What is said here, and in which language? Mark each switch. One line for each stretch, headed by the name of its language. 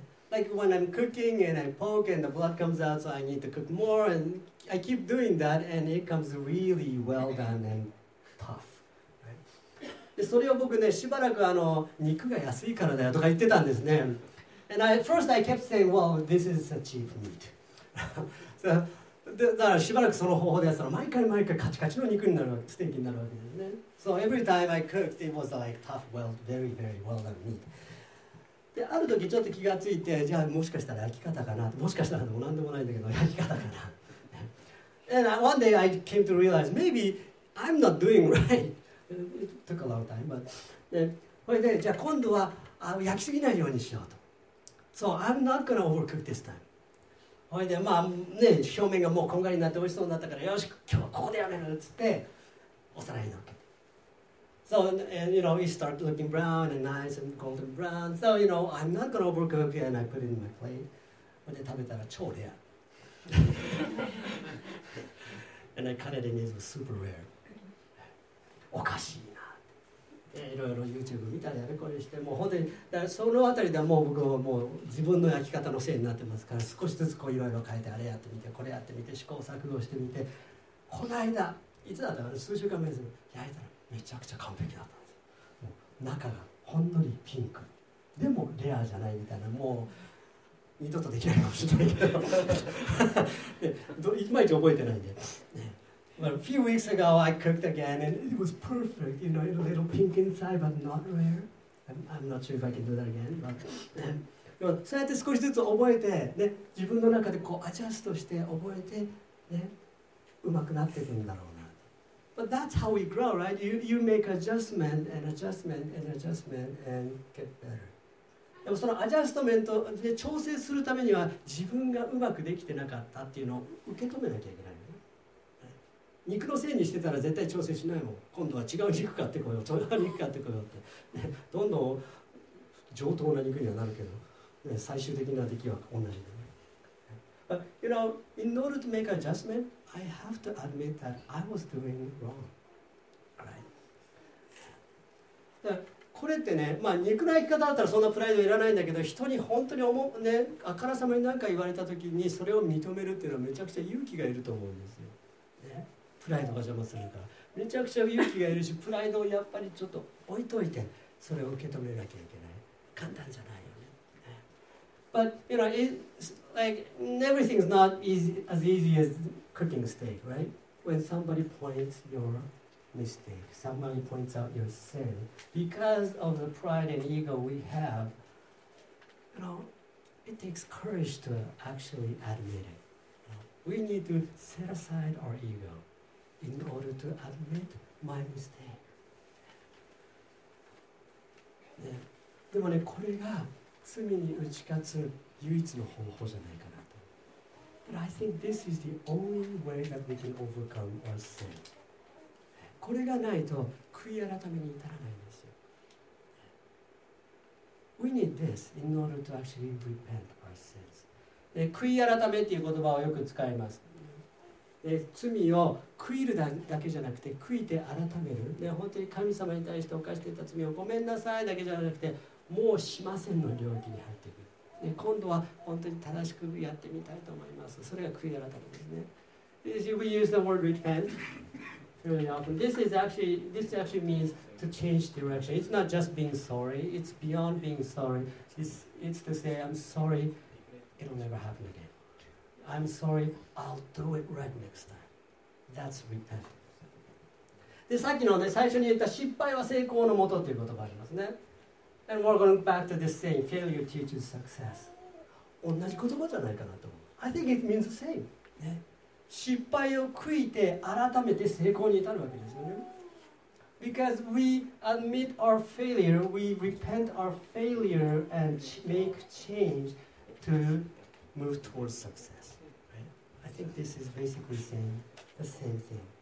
English: Like when I'm cooking and I poke and the blood comes out, so I need to cook more and I keep doing that and it comes really well done and tough.
Japanese: でそれを僕ね、しばらくあの肉が安いからだよとか言ってたんですね。
English: And I, first I kept saying, well, this is a cheap meat.
Japanese: そだからしばらくその方法でやったら、毎回毎回カチカチの肉になる、ステーキになるわけですね。
English: So every time I cooked, it was like tough, well, very, very well done meat.
Japanese: で、ある時ちょっと気がついて、じゃあもしかしたら焼き方かな、もしかしたらでもなんでもないんだけど、焼き方かな。
English: And I, one day I came to realize, maybe I'm not doing right. It took a long time, but
Japanese: それでじゃあ今度は焼きすぎないようにしようと。
English: So I'm not gonna overcook this time.
Japanese: それでまあね、表面がもうこんがりになって美味しそうになったから、よし今日はここでやめるっつってお皿にのっけて。
English: So and you know, it started looking brown and nice and golden brown. So you know, I'm not gonna overcook it and I put it in my plate.
Japanese: それで食べたら超レア。
English: And I cut it in, it was super rare.
Japanese: おかしいな。いろいろ YouTube 見たりあれこれして、もう本当にだからそのあたりでもう僕はもう自分の焼き方のせいになってますから、少しずつこういろいろ変えて、あれやってみて、これやってみて、試行錯誤してみて、この間いつだったか、数週間前に焼いたらめちゃくちゃ完璧だったんです。もう中がほんのりピンクでもレアじゃないみたいな、もう二度とできないかもしれないけど、いまいち覚えてないんで。
English: Well, a few weeks ago, I cooked again, and it was perfect. You know, a little pink inside, but not rare. I'm not sure if I can do that again. But, you know,
Japanese: そうやって少しずつ覚えて、ね、自分の中でこうアジャストして覚えて、ね、うまくなっていくんだろうな。
English: But that's how we grow, right? You make adjustment and adjustment and adjustment and get better.
Japanese: でもそのアジャストメントで調整するためには、自分がうまくできてなかったっていうのを受け止めなきゃいけない。肉のせいにしてたら絶対調整しないもん。今度は違う肉買ってこよう、違う肉買ってこようって、ね、どんどん上等な肉にはなるけど、ね、最終的な出来は同じだね。
English: But, you know, in order to make adjustment, I have to admit that I was doing wrong. Right?
Japanese: これってね、まあ肉の焼き方だったらそんなプライドいらないんだけど、人に本当に思うね、あからさまに何か言われた時にそれを認めるっていうのはめちゃくちゃ勇気がいると思うんですよ。プライドが邪魔するから、めちゃくちゃ勇気がいるし、プライドをやっぱりちょっと置いといて、それを受け止めなきゃいけない。簡単じゃないよね。
English: But you know, it's like everything's not as easy as cooking steak, right? When somebody points your mistake, somebody points out your sin, because of the pride and ego we have, you know, it takes courage to actually admit it. We need to set aside our ego. In order to admit my mistake.
Japanese: ね、でもね、これが罪に打ち勝つ唯一の方法じゃないかなと。
English: But I think this is the only way that we can overcome our sin.
Japanese: これがないと悔い改めに至らないんですよ。
English: We need this in order to actually repent our sins.
Japanese: で、悔い改めっていう言葉をよく使います。で罪を悔いるだけじゃなくて悔いて改める、で本当に神様に対して犯していた罪をごめんなさいだけじゃなくて、もうしませんの領域に入っていく、で今度は本当に正しくやってみたいと思います。それが悔い改めですね。
English: If we use the word repent really often. This actually means to change direction. It's not just being sorry. It's beyond being sorry. It's to say, I'm sorry, it'll never happen again. I'm sorry, I'll do it right next time. That's repentance.
Japanese: でさっきのね最初に言った失敗は成功のもとという言葉がありますね。
English: And we're going back to this saying, failure teaches success.
Japanese: 同じ言葉じゃないかなと思う。
English: I think it means the same.、
Japanese: ね、失敗を悔いて改めて成功に至るわけですよね。
English: Because we admit our failure, we repent our failure and make change to move towards success.、Right? I think this is basically saying the same thing.